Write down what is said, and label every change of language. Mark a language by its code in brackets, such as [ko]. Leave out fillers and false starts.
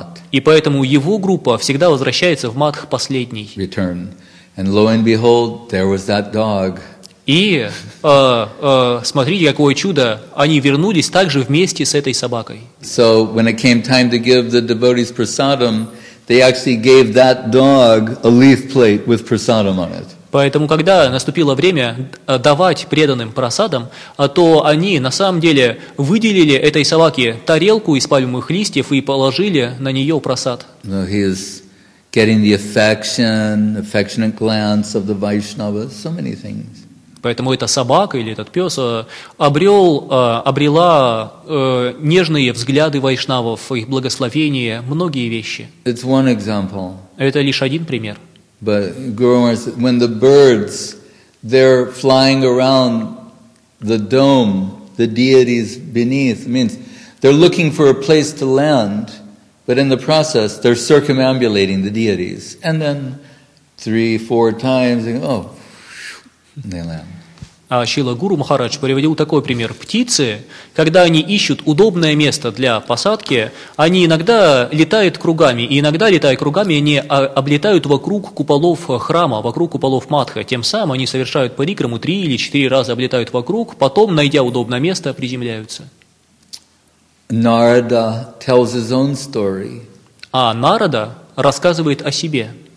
[ru] И поэтому его группа всегда возвращается в матх последний. [en] And lo and behold, there was that dog. [ru] И смотрите, какое чудо, они вернулись также вместе с этой собакой. [en] So when it came time to give the devotees prasadam, they actually gave that dog a leaf plate with prasadam on it. [ru] Поэтому, когда наступило время давать преданным прасадам, то они на самом деле выделили этой собаке тарелку из пальмовых листьев и положили на нее прасад. [en] Now he is getting the affectionate glance of the Vaishnavas, so many things. [ru] Поэтому эта собака или этот пес обрела нежные взгляды вайшнавов, их благословения, многие вещи. [en] It's one example. [ru] Это лишь один пример. [en] But Guru Maharaj said, when the birds, they're flying around the dome, the deities beneath, means they're looking for a place to land, but in the process, they're circumambulating the deities. And then 3-4 times, they go, oh, they land. [ru] А Шрила Гуру Махарадж приводил такой пример. Птицы, когда они ищут удобное место для посадки, они иногда летают кругами, и иногда, летая кругами, они облетают вокруг куполов храма, вокруг куполов матха. Тем самым они совершают парикраму 3 или 4 раза, облетают вокруг, потом, найдя удобное место, приземляются. [en] Narada tells his own story. [ru] А Нарада рассказывает о себе.